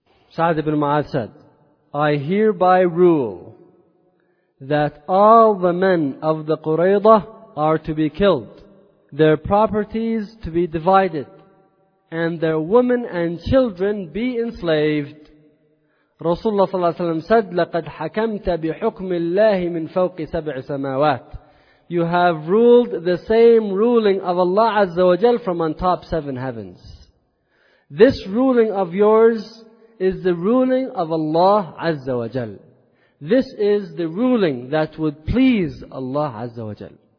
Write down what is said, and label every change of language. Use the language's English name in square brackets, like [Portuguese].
[English] Sa'd ibn Mu'adh said, I hereby rule that all the men of the Qurayza are to be killed, their properties to be divided, and their women and children be enslaved. Rasulullah sallallahu alaihi wasallam said, [Arabic] لَقَدْ حَكَمْتَ بِحُكْمِ اللَّهِ مِنْ فَوْقِ سَبْعِ سَمَاوَاتِ. [English] You have ruled the same ruling of Allah Azza wa Jal from on top seven heavens. This ruling of yours is the ruling of Allah Azza wa Jal. This is the ruling that would please Allah Azza wa Jal.